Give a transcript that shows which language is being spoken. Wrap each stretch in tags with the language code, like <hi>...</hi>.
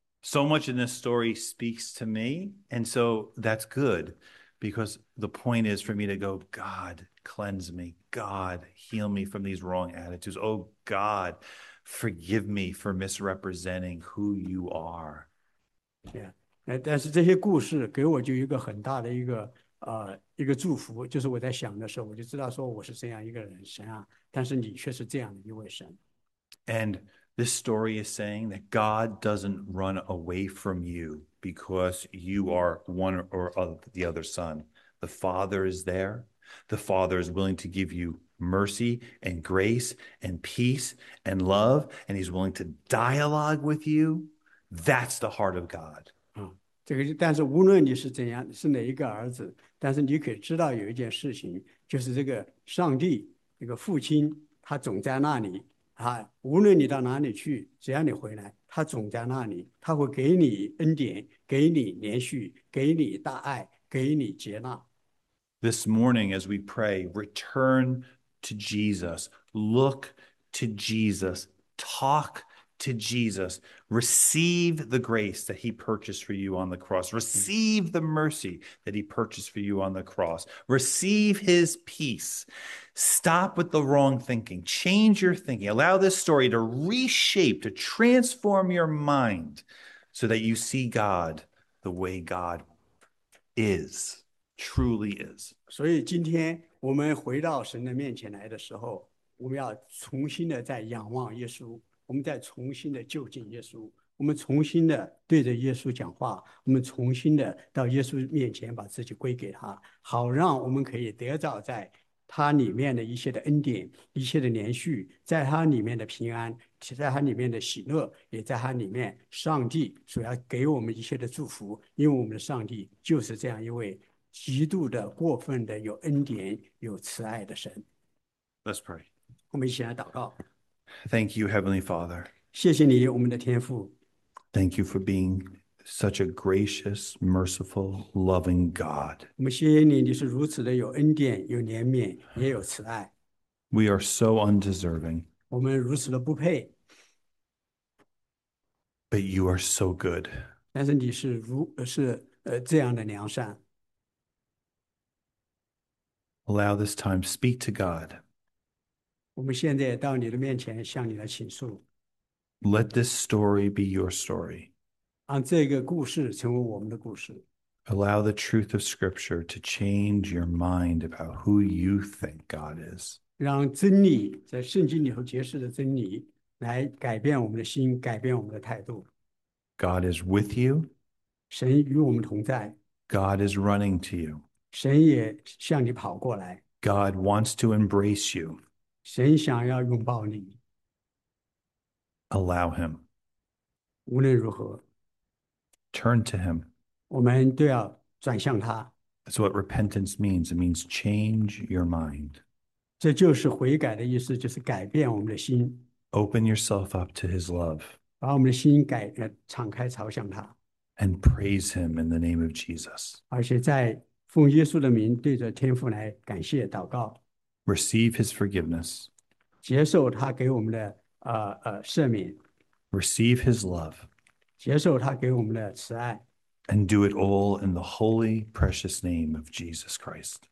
<en>So much in this story speaks to me, and so that's good because the point is for me to go, God, cleanse me. God, heal me from these wrong attitudes. Oh, God, forgive me for misrepresenting who you are.</en> <zh>但是这些故事给我就一个很大的一个祝福，就是我在想的时候，我就知道说我是这样一个人，神啊，但是你却是这样的一位神。</zh> <en>And this story is saying that God doesn't run away from you because you are one or the other son. The Father is there. The Father is willing to give you mercy and grace and peace and love, and He's willing to dialogue with you. That's the heart of God.</en> <zh>这个就，但是无论你是怎样，是哪一个儿子，但是你可以知道有一件事情，就是这个上帝，这个父亲，他总在那里啊。无论你到哪里去，只要你回来，他总在那里，他会给你恩典，给你连续，给你大爱，给你接纳。</zh> <en>This morning, as we pray, return to Jesus, look to Jesus, talk to Jesus. Receive the grace that he purchased for you on the cross. Receive the mercy that he purchased for you on the cross. Receive his peace. Stop with the wrong thinking. Change your thinking. Allow this story to reshape, to transform your mind so that you see God the way God is, truly is.</en> <zh>所以今天我们回到神的面前来的时候, 我们要重新的再仰望耶稣, 我们再重新的就近耶稣, 我们重新的对着耶稣讲话, 我们重新的到耶稣面前把自己归给他, 好让我们可以得到在他里面的一些的恩典, 一些的连续, 在他里面的平安, 在他里面的喜乐, 也在他里面上帝所要给我们一些的祝福, 因为我们的上帝就是这样一位 极度的过分的, 有恩典, 有慈爱的神。</zh> <en>Let's pray.</en> <zh>我们一起来祷告。</zh> <en>Thank you, Heavenly Father.</en> <zh>谢谢你, 我们的天父。</zh> <en>Thank you for being such a gracious, merciful, loving God.</en> <zh>我们谢谢你, 你是如此的有恩典, 有怜悯, 也有慈爱。</zh> <en>We are so undeserving.</en> <zh>我们如此的不配。</zh> <en>But you are so good.</en> <zh>但是你是这样的良善。</zh> <en>Allow this time, speak to God.</en> <zh>我们现在到你的面前向你来倾诉。</zh> <en>Let this story be your story.</en> <zh>让这个故事成为我们的故事。</zh> <en>Allow the truth of Scripture to change your mind about who you think God is.</en> <zh>让真理在圣经里头揭示的真理来改变我们的心，改变我们的态度。</zh> <en>God is with you.</en> <zh>神与我们同在。</zh> <en>God is running to you.</en> <zh>神也向你跑过来。</zh> <en>God wants to embrace you.</en> <zh>神想要拥抱你。</zh> <en>Allow him.</en> <zh>无论如何,</zh> <en>Turn to him.</en> <zh>我们都要转向他。</zh> <en>That's what repentance means. It means change your mind.</en> <zh>这就是悔改的意思, 就是改变我们的心。</zh> <en>Open yourself up to his love.</en> <zh>把我们的心改, 敞开朝向他。</zh> <en>And praise him in the name of Jesus.</en> <zh>而且在奉耶稣的名对着天父来感谢祷告。</zh> <en>Receive his forgiveness.</en> <zh>接受他给我们的, 赦免。</zh> <en>Receive his love.</en> <zh>接受他给我们的慈爱。</zh> <en>And do it all in the holy, precious name of Jesus Christ.</en>